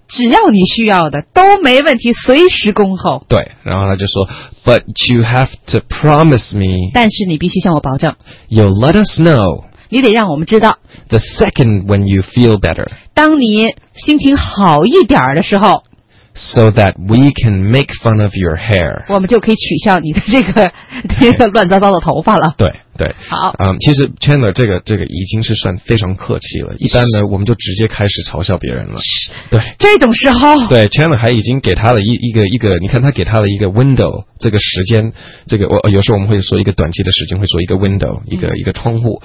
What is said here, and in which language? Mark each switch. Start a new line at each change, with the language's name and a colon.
Chinese: 只要你需要的都没问题，随时恭候。对，然后他就说
English: ，But you have to promise me.
Chinese: 但是你必须向我保证。
English: You'll let us know.
Chinese: 你得让我们知道
English: The second when you feel better
Chinese: 当你心情好一点的时候
English: So that we can make fun of your hair
Chinese: 我们就可以取笑你的这个乱糟糟的头发了对对，好，嗯，其实 Chandler 这个已经是算非常客气了，一般呢我们就直接开始嘲笑别人了，对，这种时候，对 ，Chandler 还已经给他了一个，你看他给他了一个 window， 这个时间，这个我有时候我们会说一个短期的时间会说一个 window， 一个窗户，